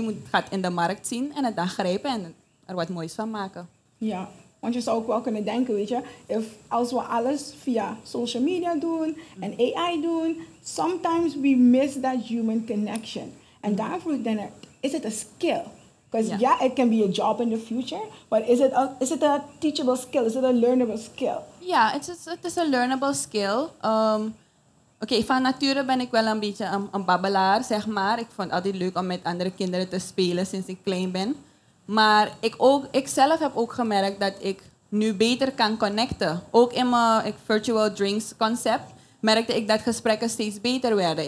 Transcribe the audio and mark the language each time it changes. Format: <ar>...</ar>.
<nl>Je moet het in de markt zien en het dan grijpen en er wat moois van maken. Ja, want je zou ook wel kunnen denken, weet je, als we alles via social media doen en AI doen,</nl> <en>sometimes we miss that human connection.</en> <nl>En daarvoor dan is het een skill.</nl> <en>Because yeah, it can be a job in the future, but is it a teachable skill? Is it a learnable skill? Yeah, it is a learnable skill.</en> <nl>Oké, van nature ben ik wel een beetje een babbelaar, zeg maar. Ik vond het altijd leuk om met andere kinderen te spelen sinds ik klein ben. Maar ik zelf heb ook gemerkt dat ik nu beter kan connecten. Ook in mijn virtual drinks concept merkte ik dat gesprekken steeds beter werden.</nl>